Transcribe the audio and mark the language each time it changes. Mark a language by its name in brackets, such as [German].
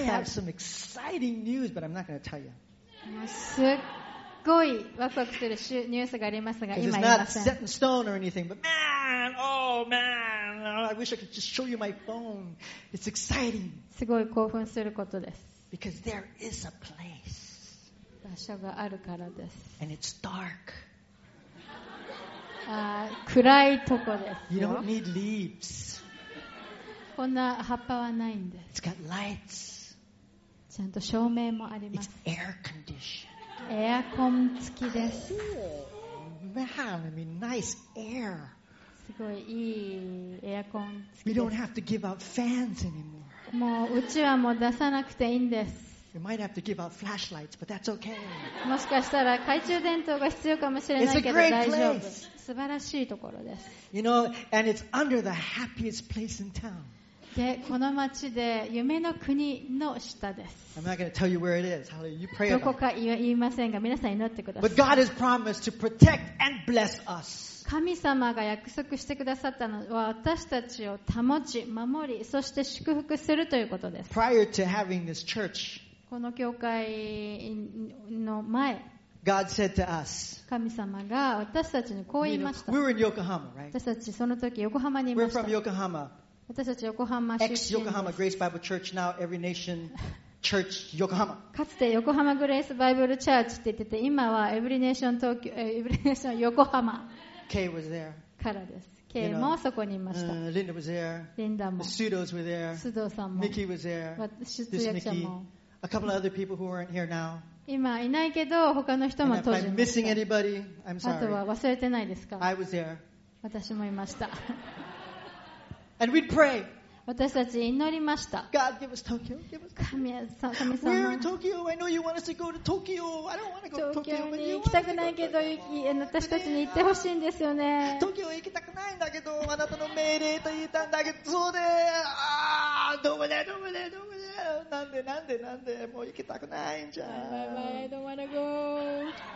[English] I mean, I have some exciting news, but I'm not going to tell you. [Japanese] すっごいワクワクするニュースがありますが、今言えません。 [English] It's not set in stone or anything, but man! Oh man, I wish I could just show you my phone. It's exciting. [Japanese] すごい興奮することです。 [English] Because there is a place. [Japanese] 場所があるからです。 [English] And it's dark. [Japanese] 暗いとこですよ。 [English] You don't need leaves. [Japanese] こんな葉っぱはないんです。 [English] It's got lights. [Japanese] ちゃんと照明もあります。 [English] It's air conditioned. [Japanese] エアコン付きです。 [English] Oh, man, I mean, nice air. [Japanese] すごいいいエアコン。 [English] We don't have to give out fans anymore. [Japanese] もううちはもう出さなくていいんです。 [English] You might have to give out flashlights, but that's okay. [Japanese] もしかしたら懐中電灯が必要かもしれないけど大丈夫。素晴らしいところです。 [English] You know, and it's under the happiest place in town. [Japanese] で、この町で夢の国の下です。 [English] I'm not going to tell you where it is. You pray about it. [Japanese] どこか言いませんが、皆さん祈ってください。 [English] But God has promised to protect and bless us. [Japanese] 神様が約束してくださったのは私たちを保ち、守り、そして祝福するということです。 [English] Prior to having this church. [Japanese] この教会の前、 [English] God said to us, [Japanese] 神様が私たちにこう言いました。 [English] We were in Yokohama, right? [Japanese] 私たちその時横浜にいました。 [English] We're from Yokohama. [Japanese] 私たち横浜出身です。 [English] Ex-Yokohama Grace Bible Church, now Every Nation Church, Yokohama. [Japanese] かつて横浜グレースバイブルチャーチって言ってて、今はEvery Nation東京、Every Nation Yokohama. [English] K was there. [Japanese] からです。K もそこにいました。 [English] Linda was there. [Japanese] Linda も。 [English] The Sudos were there. [Japanese] 須藤さんも。 [English] Nikki was there. [Japanese] 出役者も。 [English] A couple of other people who weren't here now. [Japanese] 今いないけど他の人も当時いました。 [English] And if I'm missing anybody, [Japanese] あとは忘れてないですか? [English] I was there. [Japanese] 私もいました。 [English] And we'd pray. [Japanese] 私たち祈りました。 [English] God, give us Tokyo. Give us Tokyo. [Japanese] 神様。 [English] We're in Tokyo. I know you want us to go to Tokyo. I don't want to go to Tokyo. [Japanese] 東京に行きたくないけど、私たちに行ってほしいんですよね。東京行きたくないんだけど、あなたの命令と言ったんだけど、そうで、ああ、どうもね、どうもね、どうもね。なんでもう行きたくないんじゃん。 [English] バイバイ、I don't wanna go。